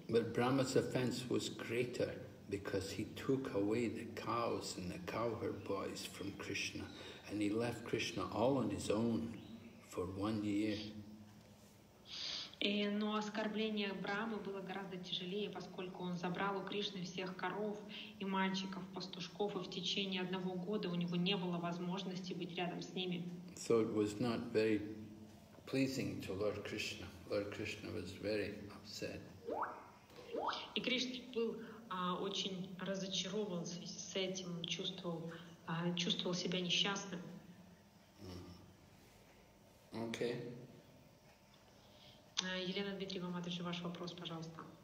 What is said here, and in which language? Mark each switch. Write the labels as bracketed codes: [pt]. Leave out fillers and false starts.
[en] But Brahma's offense was greater because he took away the cows and the cowherd boys from Krishna, and he left Krishna all on his own for one year. [ru] Но оскорбление Брамы было гораздо тяжелее, поскольку он забрал у Кришны всех коров и мальчиков, пастушков, и в течение одного года у него не было возможности быть рядом с ними. [en] So it was not very pleasing to Lord Krishna. Lord Krishna was very upset. [ru] И Кришна был очень разочарован с этим, чувствовал себя несчастным. [en] Okay. [ru] Елена Дмитриевна, Матыш, ваш вопрос, пожалуйста.